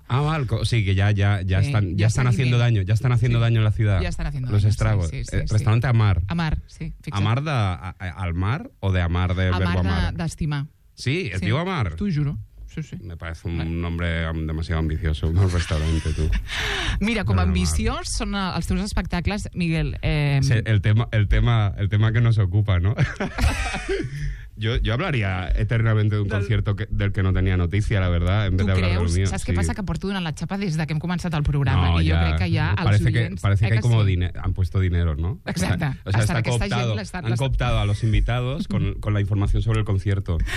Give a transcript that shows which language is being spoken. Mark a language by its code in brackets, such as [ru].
[ca] Ah, val, o sigui que ja estan [es] haciendo daño en la ciudad. Ya están haciendo daño. Sí, sí, sí. [ca] Restaurant a Mar. A Mar, sí. Fixa't. A Mar de... al mar o de a Mar de a [es] verbo [ca] a Mar? A Mar d'estimar. Sí, es diu a Mar? T'ho juro. Sí. [es] Me parece un nombre demasiado ambicioso, un restaurante, tú. [ca] Mira, com ambiciós són els teus espectacles, Miguel. [es] Sí, el tema que nos ocupa, ¿no? Yo hablaría eternamente de un concierto del que no tenía noticia, la verdad, en vez de hablar del mío. [ca] ¿Saps què passa? Que porto donant la xapa des que hem començat el programa. I jo crec que ja els oients... [es] Parece que hay como dinero, han puesto dinero, ¿no? [ca] Exacte. [es] O sea, han cooptado a los invitados con la información sobre el concierto.